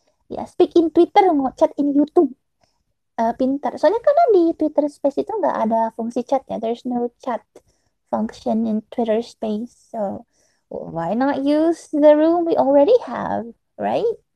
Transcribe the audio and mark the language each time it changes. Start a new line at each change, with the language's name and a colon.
English: Ya, yeah, speak in Twitter, ngechat in YouTube.
Indonesian: Pintar. Soalnya karena di Twitter Space itu nggak ada fungsi chat ya.
English: There's no chat function in Twitter Space. So, why not use the room we already have, right?